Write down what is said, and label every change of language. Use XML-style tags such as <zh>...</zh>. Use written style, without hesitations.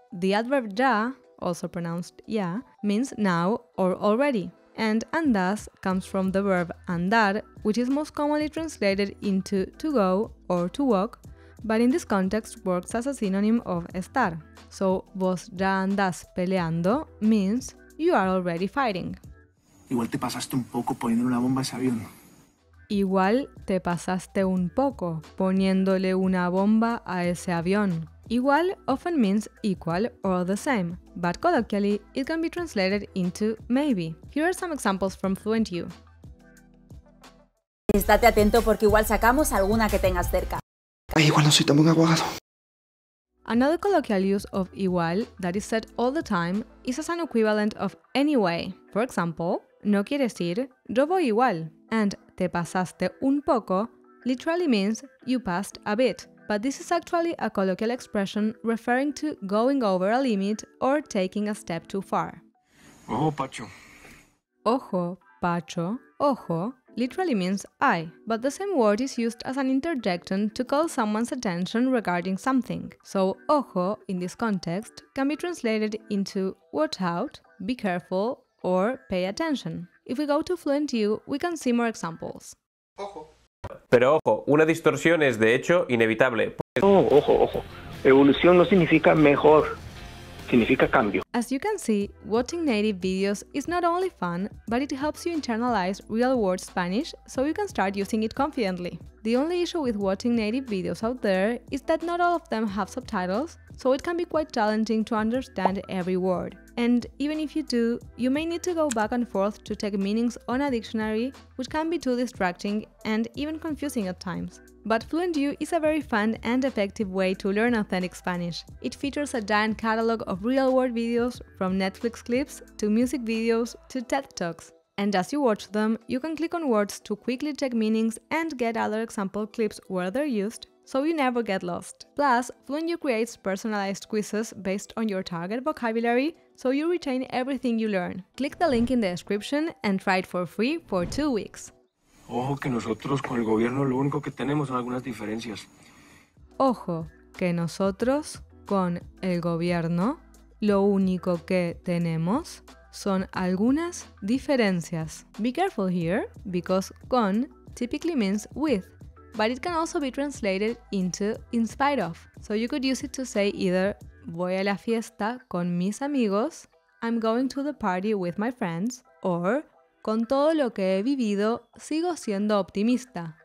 <en>The adverb ya, also pronounced ya, means now or already. And andas comes from the verb andar, which is most commonly translated into to go or to walk, but in this context works as a synonym of estar. So,</en> <es>vos ya andas peleando</es> <en>means you are already fighting.</en> <es>Igual te pasaste un poco poniéndole una bomba a ese avión. Igual te pasaste un poco poniéndole una bomba a ese avión.</es> <en>Igual often means equal or the same, but colloquially, it can be translated into maybe. Here are some examples from FluentU.</en> <es>Estate atento porque igual sacamos alguna que tengas cerca. Ay, igual no soy tan buen abogado.</es> <en>Another colloquial use of igual that is said all the time is as an equivalent of anyway. For example,</en> <es>no quieres ir, yo voy igual.</es> <en>And</en> <es>te pasaste un poco</es> <en>literally means you passed a bit. But this is actually a colloquial expression referring to going over a limit or taking a step too far.</en> <es>Ojo, Pacho. Ojo, Pacho, ojo,</es> <en>literally means I. But the same word is used as an interjection to call someone's attention regarding something. So, ojo, in this context, can be translated into watch out, be careful, or pay attention. If we go to FluentU, we can see more examples.</en> <es>Ojo. Pero ojo, una distorsión es de hecho inevitable. No, ojo, ojo. Evolución no significa mejor, significa cambio.</es> <en>As you can see, watching native videos is not only fun, but it helps you internalize real-world Spanish so you can start using it confidently. The only issue with watching native videos out there is that not all of them have subtitles, so it can be quite challenging to understand every word. And even if you do, you may need to go back and forth to take meanings on a dictionary, which can be too distracting and even confusing at times. But FluentU is a very fun and effective way to learn authentic Spanish. It features a giant catalog of real-world videos, from Netflix clips to music videos to TED Talks. And as you watch them, you can click on words to quickly check meanings and get other example clips where they're used, so you never get lost. Plus, FluentU creates personalized quizzes based on your target vocabulary, so you retain everything you learn. Click the link in the description and try it for free for 2 weeks.</en> <es>Ojo que nosotros con el gobierno lo único que tenemos son algunas diferencias. Ojo que nosotros con el gobierno lo único que tenemos son algunas diferencias.</es> <en>Be careful here, because con typically means with, but it can also be translated into in spite of. So you could use it to say either</en> <es>voy a la fiesta con mis amigos,</es> <en>I'm going to the party with my friends, or</en> <es>con todo lo que he vivido, sigo siendo optimista.</es>